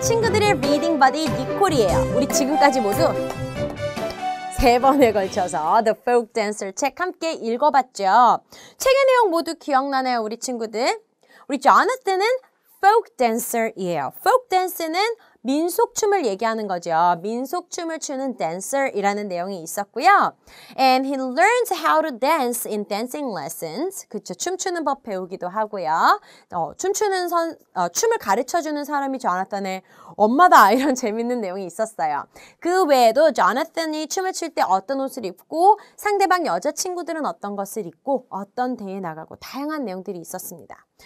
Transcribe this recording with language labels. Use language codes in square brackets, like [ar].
[ko] 친구들의 reading buddy 니콜이에요. 우리 지금까지 모두 세 번에 걸쳐서 The Folk Dancer 책 함께 읽어봤죠. 책의 내용 모두 기억나나요, 우리 친구들? 우리 Jonathan은 Folk Dancer이에요. Folk Dancer는 민속춤을 얘기하는 거죠. 민속춤을 추는 dancer이라는 내용이 있었고요. [en] And he learns how to dance in dancing lessons. [ko] 그렇죠. 춤추는 법 배우기도 하고요. 춤을 가르쳐주는 사람이 Jonathan의 엄마다 이런 재밌는 내용이 있었어요. 그 외에도 Jonathan이 춤을 출 때 어떤 옷을 입고 상대방 여자친구들은 어떤 것을 입고 어떤 대회 나가고 다양한 내용들이 있었습니다.